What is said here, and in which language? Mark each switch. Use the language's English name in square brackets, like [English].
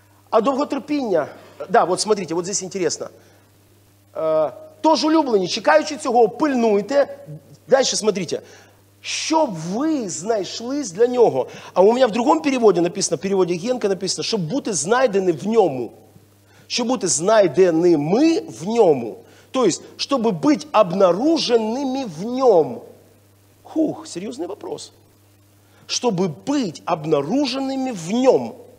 [Russian] А долготерпіння, да, вот смотрите, вот здесь интересно. [Ukrainian] Тож, улюблені, чекаючи цього, пильнуйте. [Russian] Дальше смотрите. [Ukrainian] Щоб ви знайшлись для нього. [Russian] А у меня в другом переводе написано, в переводе Генка написано, [Ukrainian] щоб бути знайдені в ньому. [Russian] Чтобы быть знайденными в нем. То есть, чтобы быть обнаруженными в нем. Хух, серьезный вопрос. Чтобы быть обнаруженными в нем.